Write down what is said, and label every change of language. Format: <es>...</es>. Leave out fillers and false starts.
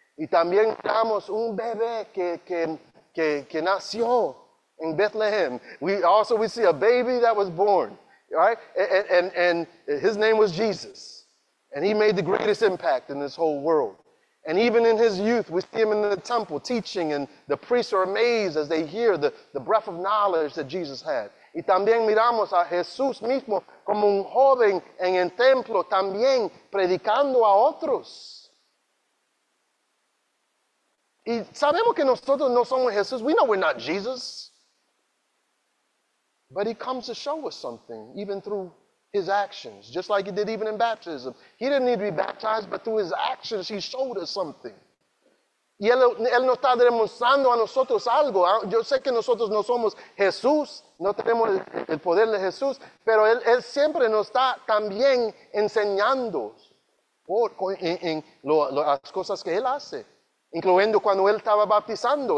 <es>Y también tenemos un bebé que nació en Bethlehem.</es> <en>We see a baby that was born, right? And his name was Jesus. And he made the greatest impact in this whole world. And even in his youth, we see him in the temple teaching, and the priests are amazed as they hear the breath of knowledge that Jesus had.</en> <es>Y también miramos a Jesús mismo como un joven en el templo, también predicando a otros. Y sabemos que nosotros no somos Jesús.</es> <en>We know we're not Jesus. But he comes to show us something, even through his actions, just like he did even in baptism. He didn't need to be baptized, but through his actions, he showed us something.</en> <es>Y él nos está demostrando a nosotros algo. Yo sé que nosotros no somos Jesús, no tenemos el poder de Jesús, pero él siempre nos está también enseñando en las cosas que él hace, incluyendo cuando él estaba bautizando.</es>